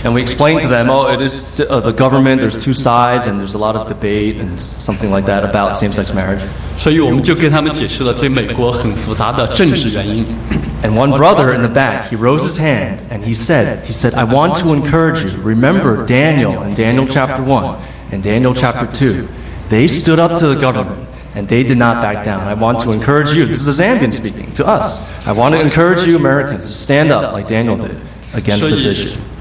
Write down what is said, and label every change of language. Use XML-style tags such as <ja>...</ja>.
<en>And we explained to them, oh, it is the government. There's two sides, and there's a lot of debate and something like that about same-sex marriage.</en> <zh>所以我们就跟他们解释了这美国很复杂的政治原因。</zh> <en>And one brother in the back, he rose his hand and he said, I want to encourage you. Remember Daniel and Daniel chapter 1 and Daniel chapter 2. They stood up to the government. And they did not back down. I want to encourage you. This is a Zambian speaking to us. I want to encourage you Americans to stand up like Daniel did against this issue.</en>